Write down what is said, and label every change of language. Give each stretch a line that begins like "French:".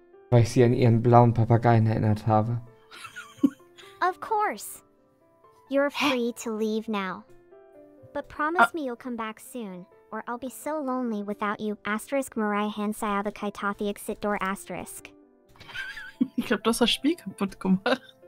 German: Weil ich sie an ihren blauen Papageien erinnert habe.
English: course. You're free to leave now. But promise me you'll come back soon, or I'll be so lonely without you. Asterisk Mariah Hansayava Kaitathi exit door asterisk.
German: Ich glaube, du hast das Spiel kaputt gemacht.